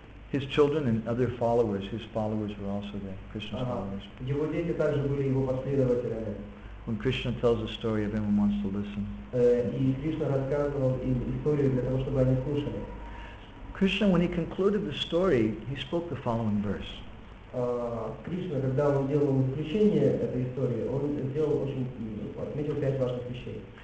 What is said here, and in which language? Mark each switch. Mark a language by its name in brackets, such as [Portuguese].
[English] His children and other followers, his followers were also there, Krishna's followers. [Russian] Его дети также были его последователями. [English] When Krishna tells a story, everyone wants to listen. [Russian] И Кришна рассказывал им историю для того, чтобы они слушали. [English] Krishna, when he concluded the story, he spoke the following verse. [Russian] Кришна, когда он делал заключение этой истории, он сделал отметил пять важных вещей.